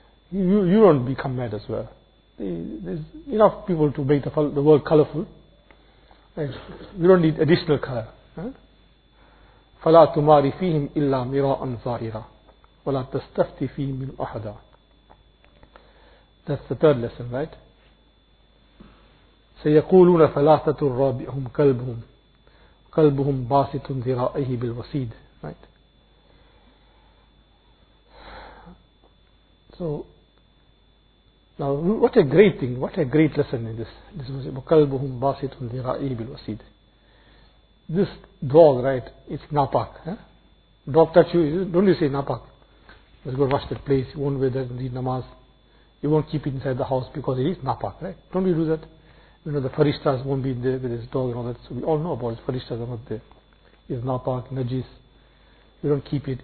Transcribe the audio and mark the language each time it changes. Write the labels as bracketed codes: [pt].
[en] You don't become mad as well. There's enough people to make the world colourful. You don't need additional colour. [ar] فَلَا تُمَارِ فِيهِمْ إِلَّا مِرَاءً ظَاهِرًا وَلَا تَسْتَفْتِ فِيهِمْ مِنْ أَحَدًا. [en] That's the third lesson, right? [ar] سيقولون ثلاثة رابعهم كلبهم كلبهم باسط ذراعيه بالوسيد. [en] Right. So now, what a great lesson in this verse. [ar] كلبهم باسط ذراعيه بالوسيد. [en] This dog, right? It's napak. Dog touch you, don't you say napak? Let's go wash the place. You won't wear that and read namaz. You won't keep it inside the house because it is napak, right? Don't you do that? You know, the farishtas won't be there with his dog and all that. So we all know about it. Farishtas are not there. It's napak, najis. You don't keep it.